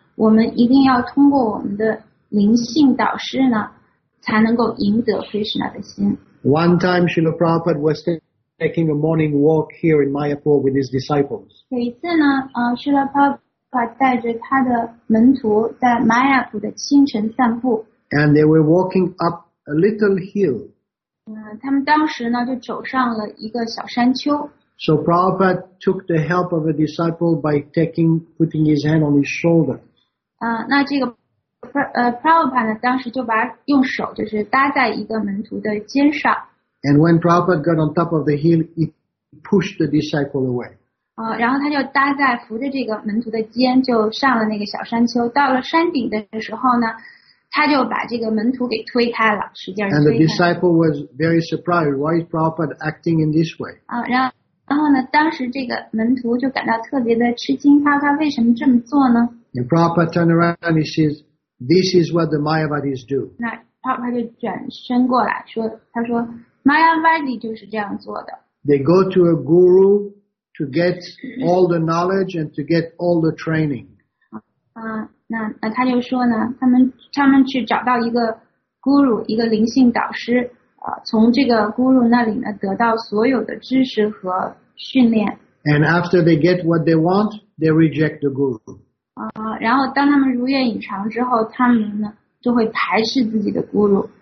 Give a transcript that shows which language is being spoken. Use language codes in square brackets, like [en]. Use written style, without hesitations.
[zh] 我们一定要通过我们的灵性导师呢，才能够赢得 Krishna 的心。 [en] One time, Srila Prabhupada was taking a morning walk here in Mayapur with his disciples. [zh] 有一次呢，Srila Prabhupada 带着他的门徒在 Mayapur 的清晨散步。 [en] And they were walking up a little hill. [zh] 他们当时呢就走上了一个小山丘。 [en] So Prabhupada took the help of a disciple by putting his hand on his shoulder. [zh] 那这个Prabhupada 当时就把用手就是搭在一个门徒的肩上。 [en] And when Prabhupada got on top of the hill, he pushed the disciple away. [zh] 然后他就搭在扶着这个门徒的肩，就上了那个小山丘。到了山顶的时候呢，他就把这个门徒给推开了，使劲推开。 [en] And the disciple was very surprised. Why is Prabhupada acting in this way? [zh] 然后呢，当时这个门徒就感到特别的吃惊，他为什么这么做呢？ [en] And Prabhupada turned around and he says, this is what the Mayavadis do. [zh] 那 Prabhupada 就转身过来说，他说 Mayavadi 就是这样做的。 [en] They go to a guru to get all the knowledge and to get all the training. [zh] 那他就说呢，他们去找到一个 guru， 一个灵性导师。从这个 guru 那里呢得到所有的知识和训练。 [en] And after they get what they want, they reject the guru. [zh] 然后当他们如愿以偿之后，他们呢就会排斥自己的 guru。